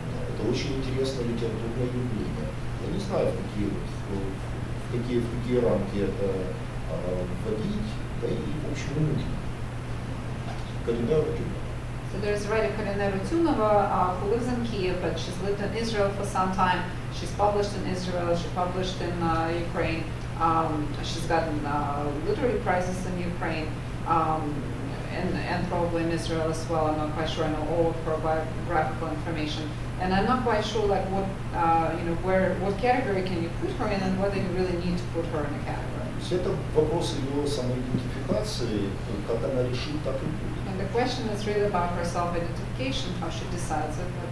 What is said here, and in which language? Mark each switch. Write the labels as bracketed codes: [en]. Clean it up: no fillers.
[ru] Это очень интересное литературное явление. Я не знаю, в какие рамки это вводить, да и в общем не нужно. Калинера Тюнова. [en] So there is a writer Калинера Тюнова, who lives in Kyiv, but she's lived in Israel for some time. She's published in Israel, she published in Ukraine. She's gotten literary prizes in Ukraine. And probably in Israel as well. I'm not quite sure. I know all of her biographical information, and I'm not quite sure like what where what category can you put her in, and whether you really need to put her in a category. [ru] Все это вопросы ее самоидентификации, как она решит, так и будет. [en] And the question is really about her self-identification, how she decides it.